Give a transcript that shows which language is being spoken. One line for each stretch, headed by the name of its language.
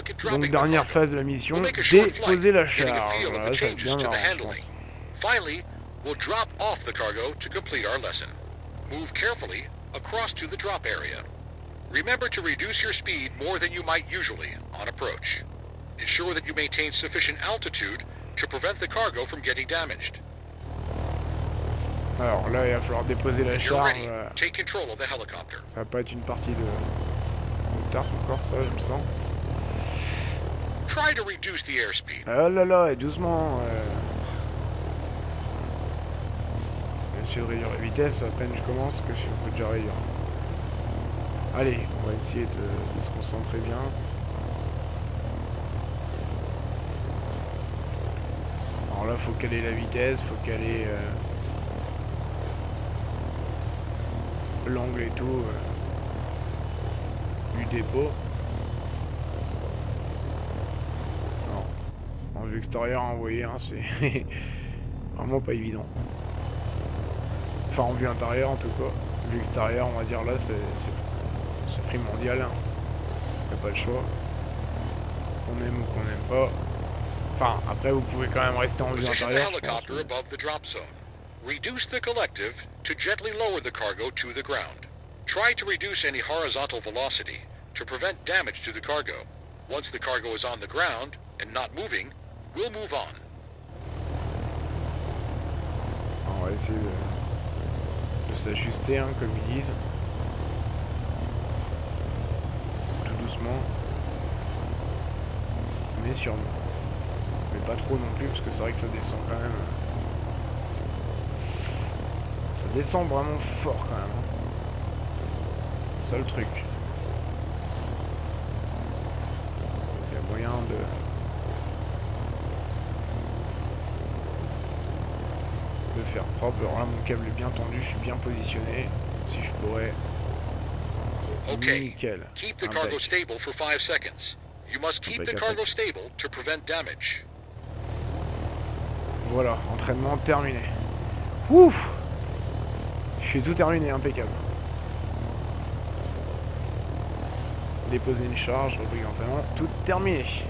French: Donc, dernière phase de la mission, déposer la charge. Voilà, ça va bien marcher, je pense.
English: Move carefully across to the drop area. Remember to reduce your speed more than you might usually on approach. Ensure that you maintain sufficient altitude to prevent the cargo from getting damaged.
French: Alors là, il va falloir déposer la charge.
English: Take control of the helicopter.
French: Ça va pas être une partie de tard encore, ça, je me sens.
English: Try to reduce the airspeed.
French: Oh là là, et doucement. J'essaie de réduire la vitesse, à peine je commence, que je peux déjà réduire. Allez, on va essayer de se concentrer bien. Alors là, faut caler la vitesse, faut caler l'angle et tout du dépôt. Alors, en vue extérieure, vous voyez, hein, c'est vraiment pas évident. Enfin, en vue intérieure, en tout cas. Vue extérieure, on va dire, là, c'est primordial. Hein. Y'a pas le choix. Qu'on aime ou qu'on aime pas. Enfin, après, vous pouvez quand même rester en vue intérieure.
English: Helicopter above the drop zone. Reduce the collective to gently lower the cargo to the ground. Try to reduce any horizontal velocity to prevent damage to the cargo. Once the cargo is on the ground and not moving, we'll move on.
French: On va essayer de s'ajuster, hein, comme ils disent, tout doucement, mais sûrement, mais pas trop non plus, parce que c'est vrai que ça descend quand même, ça descend vraiment fort quand même, ça le truc. Il y a moyen de faire propre. Alors là, mon câble est bien tendu, je suis bien positionné, si je pourrais. Nickel.
English: Keep the cargo stable for 5 seconds. You must keep the cargo stable to prevent damage.
French: Voilà, entraînement terminé. Ouf, je suis tout terminé, impeccable. Déposer une charge, reprise d'entraînement, tout terminé.